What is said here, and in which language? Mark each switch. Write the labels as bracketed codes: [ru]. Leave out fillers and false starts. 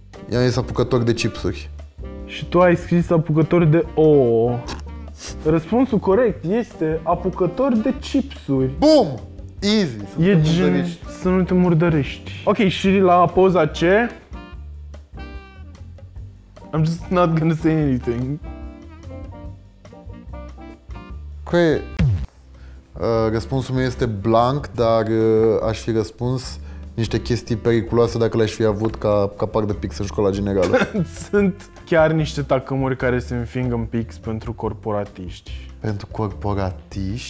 [ro] Ea e apucător de chipsuri. Și tu ai scris apucător de ouă. Răspunsul corect este apucător de chipsuri. Bum! Easy! Să e gen să nu te murdărești. Ok, și la poza ce? [en] I'm just not gonna say anything. Okay. [ro] Răspunsul meu este blank, dar aș fi răspuns niște chestii periculoase dacă le-aș fi avut ca parc de pix în școala generală. Sunt chiar niște tacâmuri care se înfing în pix pentru corporatiști. Pentru corporatiști?